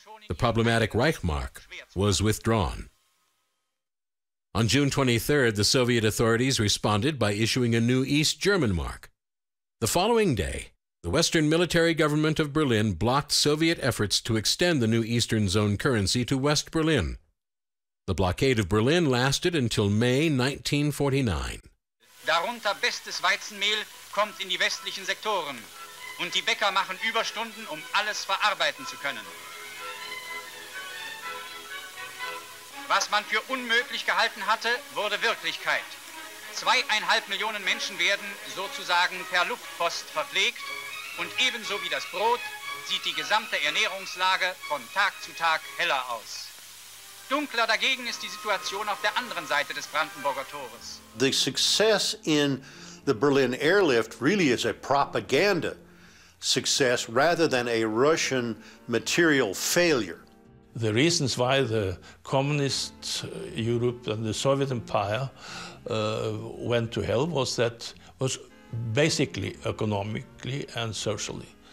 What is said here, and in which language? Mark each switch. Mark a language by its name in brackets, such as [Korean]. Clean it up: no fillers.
[English] The problematic Reichmark was withdrawn. On June 23rd, the Soviet authorities responded by issuing a new East German mark. The following day, the Western military government of Berlin blocked Soviet efforts to extend the new Eastern Zone currency to West Berlin. The blockade of Berlin lasted until May 1949. [German] Darunter bestes Weizenmehl kommt in die westlichen Sektoren. Und die Bäcker machen Überstunden, um alles verarbeiten zu können. Was man für unmöglich gehalten hatte, wurde Wirklichkeit. 2,5 Millionen Menschen werden sozusagen per Luftpost verpflegt. Und ebenso wie das Brot sieht die gesamte Ernährungslage von Tag zu Tag heller aus. Dunkler dagegen ist die Situation auf der anderen Seite des Brandenburger Tores. [English] The success in the Berlin airlift really is a propaganda success rather than a Russian material failure. The reasons why the communist Europe and the Soviet Empire went to hell was basically economically and socially.